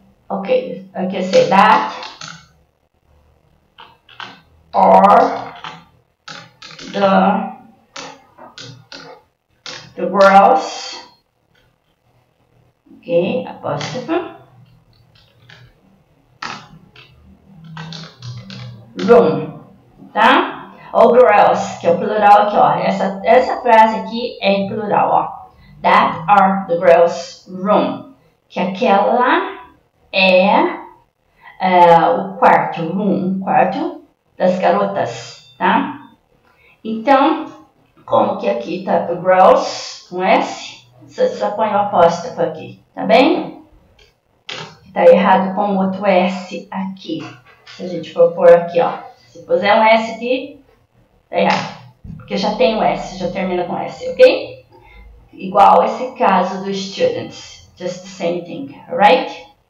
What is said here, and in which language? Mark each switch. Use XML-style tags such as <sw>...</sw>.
<en>Ok, I can say that are the girls, ok, apostrophe, room, tá?</en> <pt>Or girls, que é o plural aqui, ó, essa frase aqui é em plural, ó.</pt> <en>That are the girls' room, que aquela...</en> <pt>o quarto, room, quarto das garotas, tá? Então, como que aqui tá o girls, com S, você só põe o apóstrofo aqui, tá bem? Tá errado com outro S aqui, se a gente for pôr aqui, ó. Se puser um S aqui, tá errado, porque já tem o S, já termina com S, ok? Igual esse caso dos students,</pt> <en>just the same thing, alright?</en>